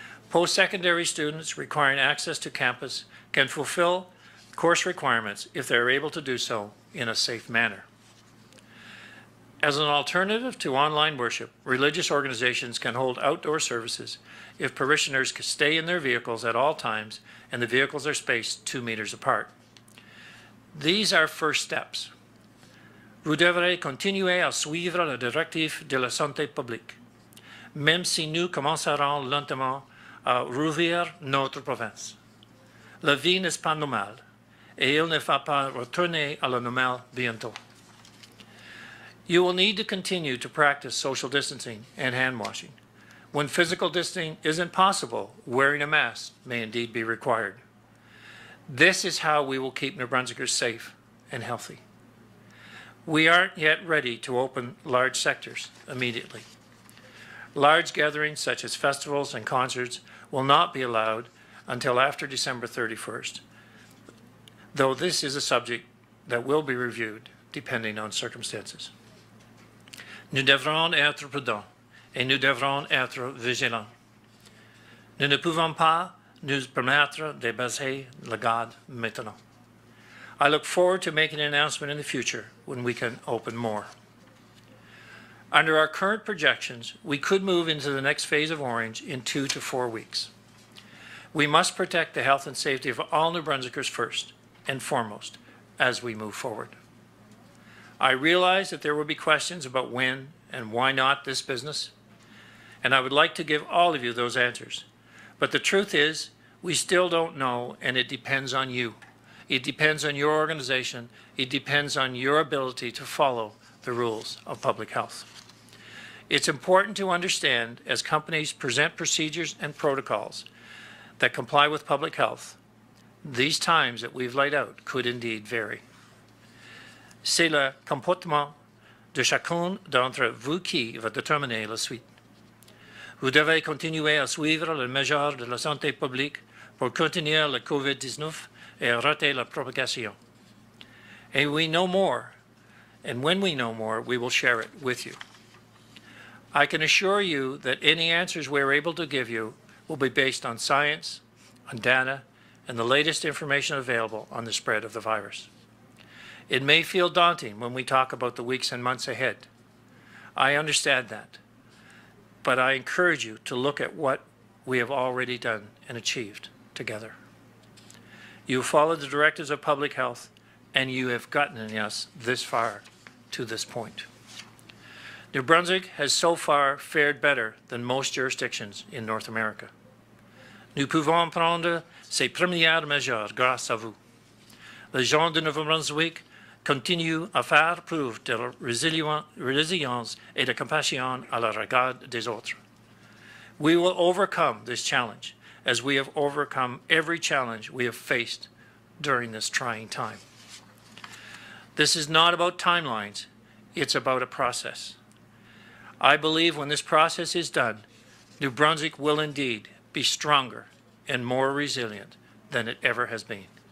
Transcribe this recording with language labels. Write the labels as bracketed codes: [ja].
[en] Post-secondary students requiring access to campus can fulfill course requirements if they are able to do so in a safe manner. As an alternative to online worship, religious organizations can hold outdoor services if parishioners can stay in their vehicles at all times and the vehicles are spaced 2 meters apart. These are first steps. [fr] Vous devrez continuer à suivre la directive de la santé publique, même si nous commencerons lentement à rouvrir notre province. La vie n'est pas normale, et il ne va pas retourner à la normale bientôt. [en] You will need to continue to practice social distancing and hand washing. When physical distancing isn't possible, wearing a mask may indeed be required. This is how we will keep New Brunswickers safe and healthy. We aren't yet ready to open large sectors immediately. Large gatherings such as festivals and concerts will not be allowed until after December 31st, though this is a subject that will be reviewed depending on circumstances. [fr] Nous devrons être prudents et nous devrons être vigilants. Nous ne pouvons pas nous permettre de baisser la garde maintenant. [en] I look forward to making an announcement in the future when we can open more. Under our current projections, we could move into the next phase of orange in 2 to 4 weeks. We must protect the health and safety of all New Brunswickers first and foremost as we move forward. I realize that there will be questions about when and why not this business, and I would like to give all of you those answers. But the truth is, We still don't know, and it depends on you. It depends on your organization. It depends on your ability to follow the rules of public health. It's important to understand, as companies present procedures and protocols that comply with public health, these times that we've laid out could indeed vary. [fr] C'est le comportement de chacun d'entre vous qui va déterminer la suite. Vous devez continuer à suivre les mesures de la santé publique pour contenir le COVID-19 et arrêter la propagation. [en] And we know more, and when we know more, we will share it with you. I can assure you that any answers we're able to give you will be based on science, on data, and the latest information available on the spread of the virus. It may feel daunting when we talk about the weeks and months ahead. I understand that, but I encourage you to look at what we have already done and achieved together. You followed the directives of public health, and you have gotten us this far to this point. New Brunswick has so far fared better than most jurisdictions in North America. [fr] Nous pouvons prendre ces premières mesures grâce à vous. Les gens de New Brunswick continuent à faire preuve de résilience et de compassion à la regard des autres. [en] We will overcome this challenge as we have overcome every challenge we have faced during this trying time. This is not about timelines, it's about a process. I believe when this process is done, New Brunswick will indeed be stronger and more resilient than it ever has been.